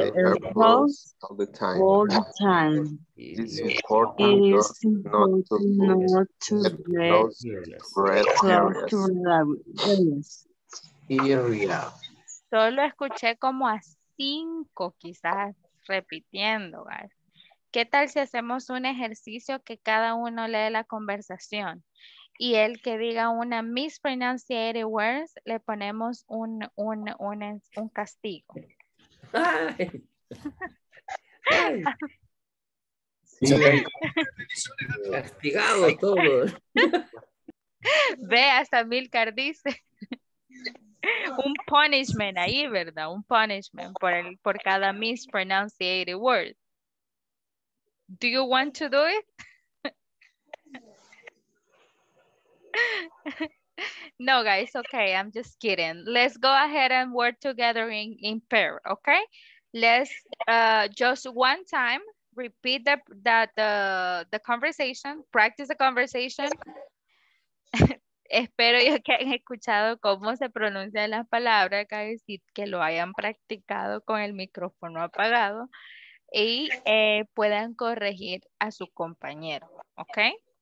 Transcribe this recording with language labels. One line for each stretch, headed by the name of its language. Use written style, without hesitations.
English: Wear a helmet all the time. Walk between the yellow lines. And don't forget to wear the earplugs all the time. It is important not to get close to red areas.
Spanish: Solo escuché como a cinco quizás repitiendo, guys. ¿Qué tal si hacemos un ejercicio que cada uno lee la conversación? Y el que diga una mispronunciated words, le ponemos un castigo. Castigado todo. Ve, hasta Milcar dice. Un punishment ahí, ¿verdad? Un punishment por cada mispronunciated word.
English: Do you want to do it? No, guys, okay, I'm just kidding. Let's go ahead and work together in pair, okay? Let's just one time repeat the conversation, practice the conversation.
Spanish: Espero yo que hayan escuchado cómo se pronuncian las palabras, guys, y que lo hayan practicado con el micrófono apagado y puedan corregir a su compañero, okay?